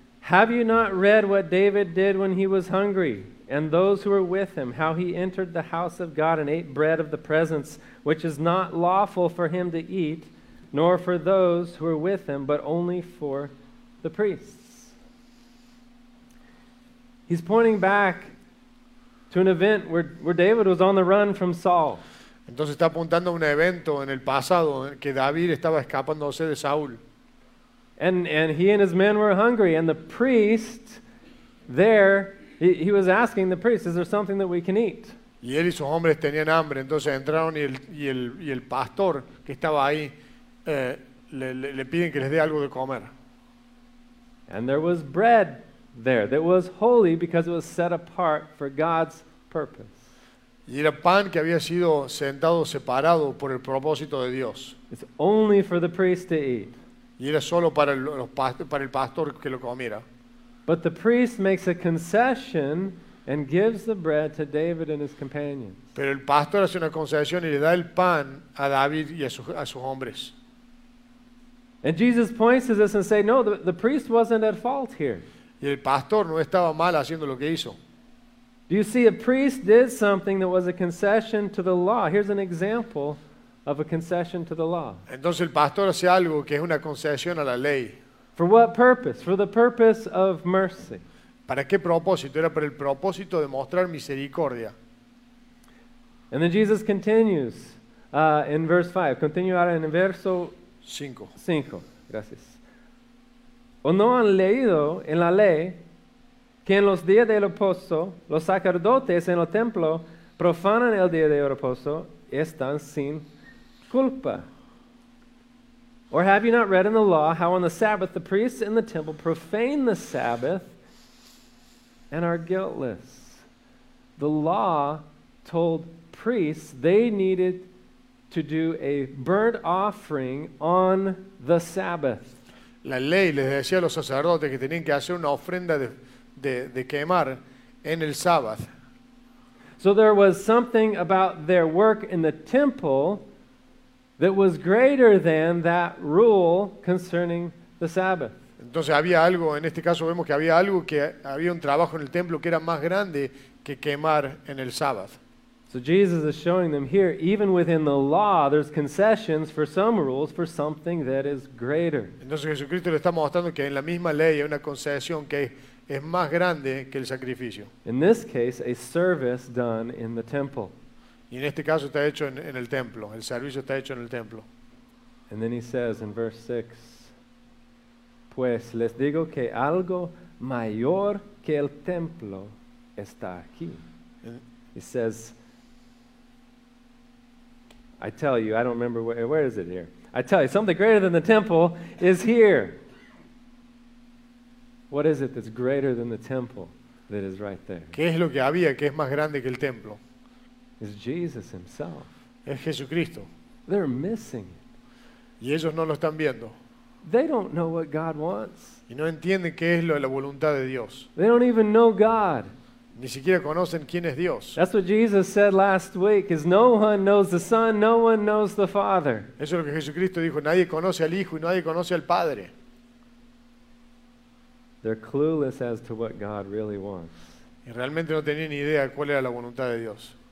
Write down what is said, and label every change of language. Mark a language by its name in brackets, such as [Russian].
[English] Have you not read what David did when he was hungry, and those who were with him, how he entered the house of God and ate bread of the presence, which is not lawful for him to eat, nor for those who were with him, but only for the priests? He's pointing back to an event where David was on the run from Saul. [Spanish] Entonces está apuntando a un evento en el pasado en que David estaba escapándose de Saúl. [English] And he and his men were hungry, and the priest there, he was asking the priest, is there something that we can eat? [Spanish] Y él y sus hombres tenían hambre, entonces entraron y el pastor que estaba ahí le piden que les dé algo de comer. [English] And there was bread there that was holy because it was set apart for God's purpose. [Spanish] Y era pan que había sido sentado separado por el propósito de Dios. [English] It's only for the priest to eat. [Spanish] Y era solo para el pastor que lo comiera. [English] But the priest makes a concession and gives the bread to David and his companions. [Spanish] Pero el pastor hace una concesión y le da el pan a David y a sus hombres. [English] And Jesus points to this and says, no, the priest wasn't at fault here. [Spanish] Y el pastor no estaba mal haciendo lo que hizo. [English] Do you see a priest did something that was a concession to the law? Here's an example of a concession to the law. [Spanish] Entonces el pastor hace algo que es una concesión a la ley. [English] For what purpose? For the purpose of mercy. [Spanish] ¿Para qué propósito? Era para el propósito de mostrar misericordia. [English] And then Jesus continues in verse 5. [Spanish] Continúa ahora en verso 5. 5. Gracias. ¿O no han leído en la ley que en los días del reposo, los sacerdotes en el templo profanan el día de reposo y están sin culpa? [English] Or have you not read in the law how on the Sabbath the priests in the temple profane the Sabbath and are guiltless? The law told priests they needed to do a burnt offering on the Sabbath. [Spanish] La ley les decía a los sacerdotes que tenían que hacer una ofrenda de quemar en el Sabbath. [English] So there was something about their work in the temple that was greater than that rule concerning the Sabbath. [Spanish] Entonces había algo, en este caso vemos que había algo, que había un trabajo en el templo que era más grande que quemar en el Sabbath. [English] So Jesus is showing them here, even within the law, there's concessions for some rules for something that is greater. [Spanish] Entonces Jesucristo le está mostrando que en la misma ley hay una concesión que es más grande que el sacrificio. [English] In this case, a service done in the temple. [Spanish] Y en este caso está hecho en el templo. El servicio está hecho en el templo. [English] And then he says in verse 6, [Spanish] pues les digo que algo mayor que el templo está aquí. [English] He says, I tell you, I don't remember, where is it here? I tell you, something greater than the temple is here. What is it that's greater than the temple that is right there? [Spanish] ¿Qué es lo que había que es más grande que el templo? [English] It's Jesus himself. [Spanish] Es Jesucristo. [English] They're missing it. [Spanish] Y ellos no lo están viendo. [English] They don't know what God wants. [Spanish] Y no entienden qué es lo de la voluntad de Dios. [English] They don't even know God. [Spanish] Ni siquiera conocen quién es Dios. [English] That's what Jesus said last week, is no one knows the Son, no one knows the Father. [Spanish] Eso es lo que Jesucristo dijo, nadie conoce al Hijo y nadie conoce al Padre. [English] They're clueless as to what God really wants. [Spanish] Y realmente no tenían ni idea cuál era la voluntad de Dios.